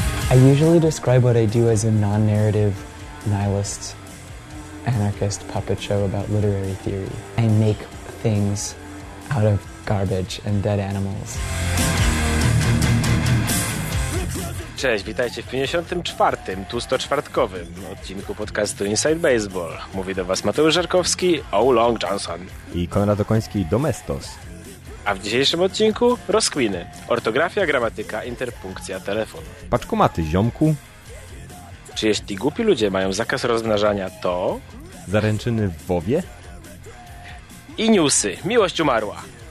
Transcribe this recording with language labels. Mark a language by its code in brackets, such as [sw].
[en] I usually describe what I do as a non-narrative, nihilist, anarchist puppet show about literary theory. I make things out of garbage and dead animals. [pl] Cześć, witajcie w 54. tłustoczwartkowym odcinku podcastu Inside Baseball. Mówi do was Mateusz Żarkowski, O Long Johnson i Konrad Okoński, Domestos. A w dzisiejszym odcinku rozkminy. Ortografia, gramatyka, interpunkcja, telefon. Paczkomaty, ziomku. Czy jeśli głupi ludzie mają zakaz rozmnażania, to... Zaręczyny w WoWie. I newsy. Miłość umarła.